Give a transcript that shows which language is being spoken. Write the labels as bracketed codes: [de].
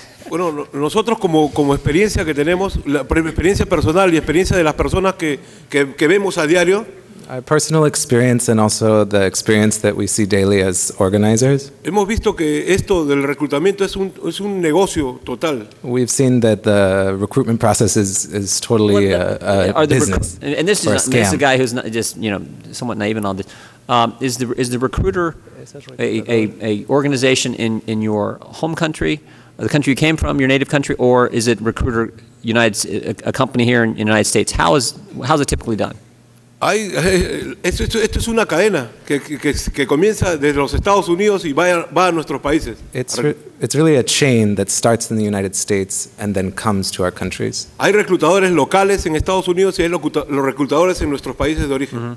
[es] Bueno, nosotros como experiencia que tenemos, la experiencia personal y experiencia de las personas que vemos a diario, [en] personal experience and also the experience that we see daily as organizers. [es] Hemos visto que esto del reclutamiento es un negocio total. [en] We've seen that the recruitment process is totally business. And this is a guy who's not just, you know, somewhat naive in all this. Is the recruiter a organization in your home country, the country you came from, your native country, or is it recruiter United, a company here in the United States? How is it typically done? [es] Esto es una cadena que comienza desde los Estados Unidos y va a nuestros países. [en] It's really a chain that starts in the United States and then comes to our countries. [es] Hay reclutadores locales en Estados Unidos y hay los reclutadores en nuestros países de origen.